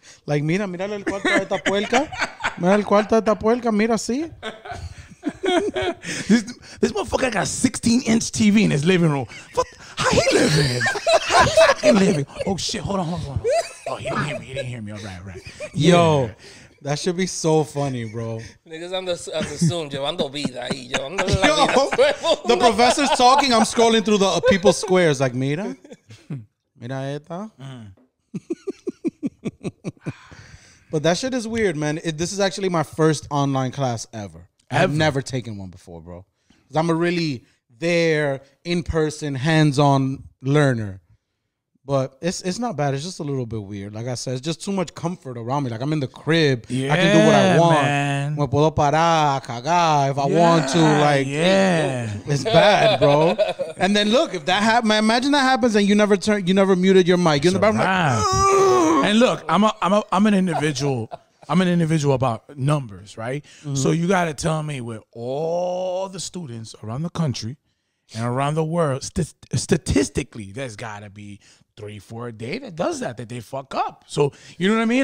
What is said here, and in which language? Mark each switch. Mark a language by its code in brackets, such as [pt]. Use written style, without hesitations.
[es] Like, mira el cuarto de esta puerca. Mira el cuarto de esta puerca, mira, sí. [en] This motherfucker got a 16-inch TV in his living room. How he living? How he living? Oh, shit. Hold on. Oh, he didn't hear me. All right. Yeah. Yo, that should be so funny, bro. Niggas, I'm the Zoom, yo. I'm the [es] vida ahí, [en] yo. Yo, the professor's talking. I'm scrolling through the people's squares like, [es] mira. Mira esta. [en] But that shit is weird, man. This is actually my first online class ever. I've never taken one before, bro. Because I'm a really there, in-person, hands-on learner. But it's not bad. It's just a little bit weird. Like I said, it's just too much comfort around me. Like, I'm in the crib. Yeah, I can do what I want. Man. [es] Me puedo parar, cagar, [en] if I want to. Like, yeah. It's bad, bro. And then look, if that happens, imagine that happens and you never muted your mic. You're in the bathroom. Like, and look, I'm an individual. I'm an individual about numbers, right? Mm-hmm. So you got to tell me with all the students around the country and around the world, statistically, there's got to be 3-4 a day that does that they fuck up. So you know what I mean?